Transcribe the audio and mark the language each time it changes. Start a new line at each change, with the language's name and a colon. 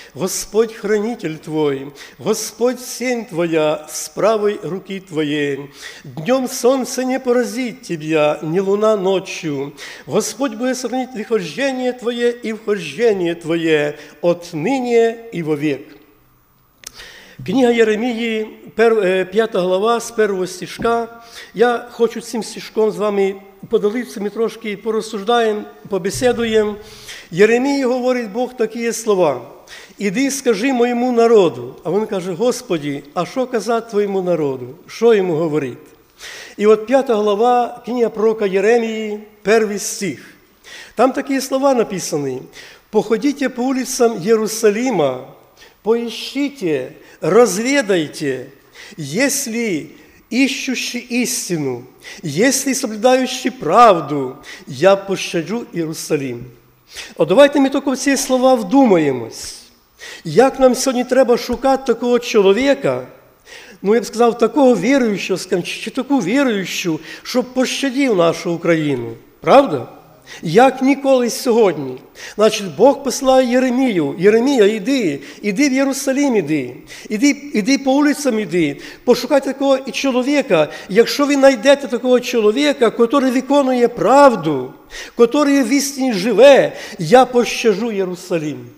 Russian: Господь хранитель твой, Господь сень твоя с правой руки твоей. Днем солнце не поразит тебя, ни луна ночью. Господь будет сохранить вихождение твое и вхождение твое отныне и вовек.
Ukrainian: Книга Єремії, 5 глава, з 1 стишка. Я хочу цим стишком з вами подалитися, ми трошки порозсуждаємо, побеседуємо. Єремії говорить Бог такі слова. «Іди, скажи моєму народу». А він каже, «Господі, а що казати твоєму народу? Що йому говорити?» І от 5 глава, книга пророка Єремії, 1 стих. Там такі слова написані.
Russian: Походите по улицам Иерусалима, поищите, разведайте, есть ли ищущий истину, есть ли соблюдающий правду, я пощаджу Иерусалим. А давайте мы только в эти слова вдумаемся. Как нам сегодня
Ukrainian: треба шукать
Russian: такого человека, ну, я бы сказал, такого верующего, скажем,
Ukrainian: чи
Russian: такую верующую, чтобы пощадил нашу Украину.
Ukrainian: Правда? Як ніколи сьогодні. Значить, Бог посилає Єремію. Єремія, іди, іди в Єрусалим, іди. Іди, іди по вулицям, іди. Пошукайте такого і чоловіка. Якщо ви знайдете такого чоловіка, який виконує правду, який в істині живе, я пощажу Єрусалим.